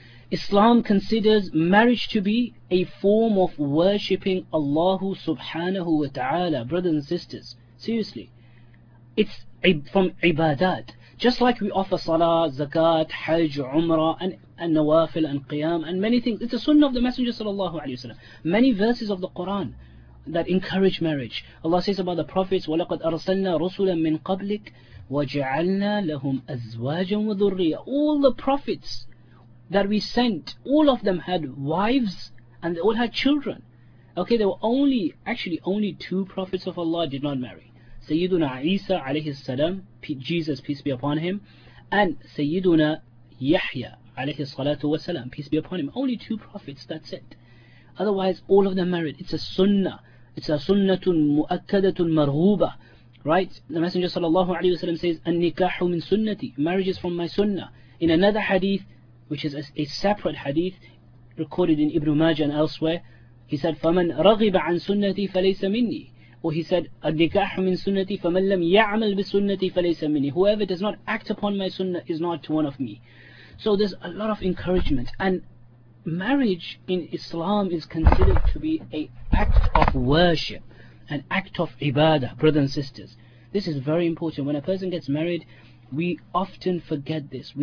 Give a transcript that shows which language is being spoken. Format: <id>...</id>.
<en>Islam considers marriage to be a form of worshipping Allah subhanahu wa ta'ala, brothers and sisters, seriously. It's from ibadat. Just like we offer salah, zakat, hajj, umrah, and nawafil, and qiyam, and many things. It's a sunnah of the Messenger sallallahu alayhi wa sallam. Many verses of the Quran that encourage marriage. Allah says about the prophets,</en> <ar>وَلَقَدْ أَرْسَلْنَا رُسُولًا مِّن قَبْلِكَ وَجَعَلْنَا لَهُمْ أَزْوَاجًا وَذُرِّيَّةً.</ar> <en>All the prophets that we sent, all of them had wives, and they all had children. Okay, there were only two prophets of Allah did not marry. Sayyiduna Isa alayhi salam, Jesus peace be upon him, and Sayyiduna Yahya alayhi salatu wa salam, peace be upon him. Only two prophets, that's it. Otherwise, all of them married. It's a sunnah. It's a</en> <ar>sunnatun mu'akkadatun marhuba.</ar> <en>Right? The Messenger sallallahu alayhi wa sallam says,</en> <ar>An-nikahu min sunnati.</ar> <en>Marriage is from my sunnah. In another hadith, which is a separate hadith recorded in Ibn Majah and elsewhere, he said,</en> <ar>فَمَنْ رَغِبَ عَنْ سُنَّتِي فَلَيْسَ مِنِّي.</ar> <en>Or he said,</en> <ar>النِّكَاحُ مِنْ سُنَّتِي فَمَنْ لَمْ يَعْمَلْ بِسُنَّتِي فَلَيْسَ مِنِّي.</ar> <en>Whoever does not act upon my sunnah is not one of me. So there's a lot of encouragement. And marriage in Islam is considered to be an act of worship, an act of ibadah, brothers and sisters. This is very important. When a person gets married, we often forget this.</en>